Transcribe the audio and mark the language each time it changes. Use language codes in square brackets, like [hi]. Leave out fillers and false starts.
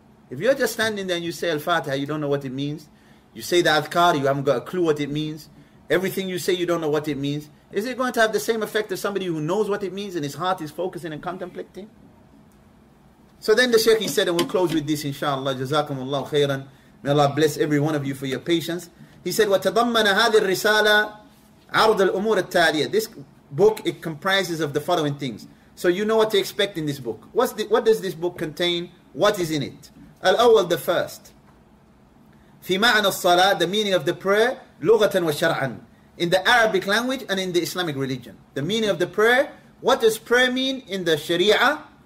[en] If you're just standing there and you say Al-Fatiha, you don't know what it means. You say the Adhkar, you haven't got a clue what it means. Everything you say, you don't know what it means. Is it going to have the same effect as somebody who knows what it means and his heart is focusing and contemplating? So then the Shaykh, he said, and we'll close with this inshallah, Jazakum Allah khairan. May Allah bless every one of you for your patience. He said, [ar] وَتَضَمَّنَ هَذِي الرِّسَالَةِ عَرْضَ الْأُمُورَ التَّالِيَةِ. [en] This book, it comprises of the following things. So you know what to expect in this book. What does this book contain? What is in it? [ar] الأول, [en] the first. [ar] فِي مَعْنَ الصَّلَاةِ, [en] the meaning of the prayer, [ar] لُغَةً وَشَرْعًا. [en] In the Arabic language and in the Islamic religion. The meaning of the prayer, what does prayer mean in the Sharia?